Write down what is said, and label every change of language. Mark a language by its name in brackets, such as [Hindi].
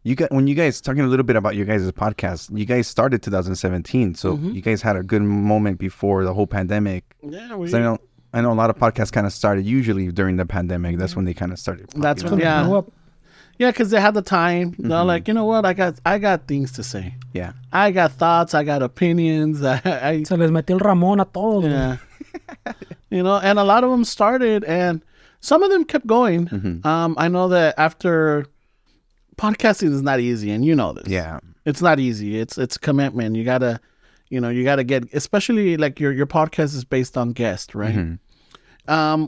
[English] When you guys, talking a little bit about your guys' podcast, you guys started 2017, so you guys had a good moment before the whole pandemic. Yeah, we... I know a lot of podcasts kind of started usually during the pandemic. That's when they kind of started. That's when, Yeah, because they had the time. They're like, you know what? I got things to say. Yeah. I got thoughts. I got opinions. [Spanish] Se les metió el Ramón a todos. [English] Yeah. You know, and a lot of them started, and some of them kept going. Mm-hmm. I know that after podcasting is not easy, and you know this. Yeah. It's not easy. It's commitment. You gotta, you know, you gotta get, especially like your podcast is based on guests, right? Mm-hmm.